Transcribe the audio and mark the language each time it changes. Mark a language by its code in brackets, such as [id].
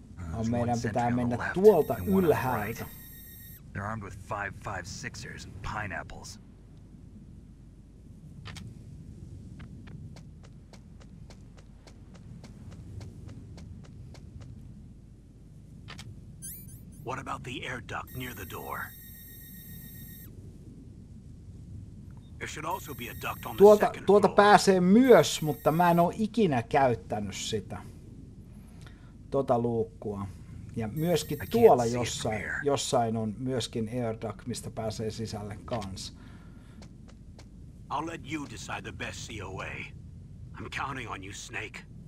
[fi] No, meidän pitää mennä tuolta ylhäältä. [en] They're armed with 5.56ers and pineapples. What about the air duct near the door? There should also be a duct on the second floor. [fi] Tuolta pääsee myös, mutta mä en oo ikinä käyttänyt sitä. Tota luukkua. Ja myöskin tuolla jossain on myöskin air duct, mistä pääsee sisälle kans. [en] I'll let you decide the best COA. I'm counting on you, Snake.